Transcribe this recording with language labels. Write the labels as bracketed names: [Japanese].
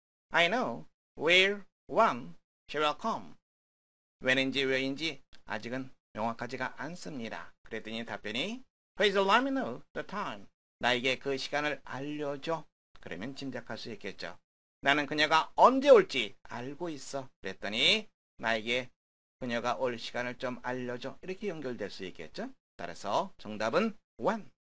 [English] I know where, when she will come. [Korean] 왜인지 왜인지 아직은 명확하지가 않습니다. 그랬더니 답변이 [English] Please let me know the time. [Korean] 나에게 그 시간을 알려줘. 그러면 짐작할 수 있겠죠. 나는 그녀가 언제 올지 알고 있어. 그랬더니 나에게 그녀가 올 시간을 좀 알려줘. 이렇게 연결될 수 있겠죠. 따라서 정답은 when.